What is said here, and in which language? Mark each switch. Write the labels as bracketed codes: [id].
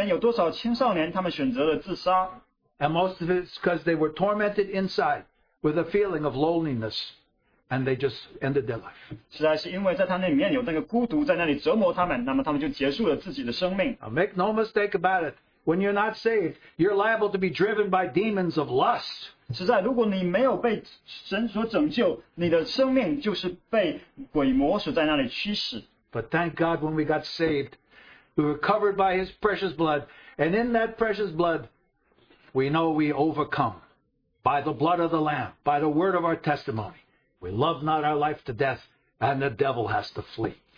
[zh] 甚至你是知道今年有多少青少年他们选择了自杀? [en] And most of it is because they were tormented inside with a feeling of loneliness and they just ended their life. [zh] 实在是因为在他那里面有那个孤独在那里折磨他们，那么他们就结束了自己的生命。 [en] Make no mistake about it. When you're not saved, you're liable to be driven by demons of lust. [zh] 实在，如果你没有被神所拯救，你的生命就是被鬼魔所在那里驱使。 [en] But thank God when we got saved, we were covered by his precious blood, and in that precious blood, we know we overcome by the blood of the Lamb, by the word of our testimony. We love not our life to death, and the devil has to flee.